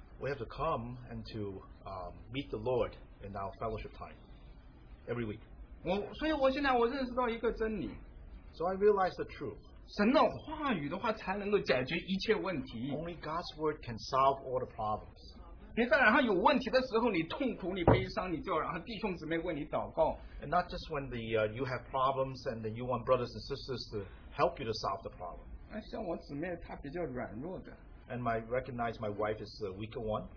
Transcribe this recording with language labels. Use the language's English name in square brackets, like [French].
[English] We have to come and to meet the Lord in our fellowship time every week. [Chinese] 所以我现在认识到一个真理。 [English] So I realized the truth. [Chinese] 神的话语的话才能够解决一切问题。 [English] Only God's word can solve all the problems. [Chinese] 别在然后有问题的时候，你痛苦，你悲伤，你就然后弟兄姊妹为你祷告。 [English] And not just when the you have problems and then you want brothers and sisters to help you to solve the problem. [Chinese] 像我姊妹她比较软弱的。 [English] And my recognize my wife is the weaker one.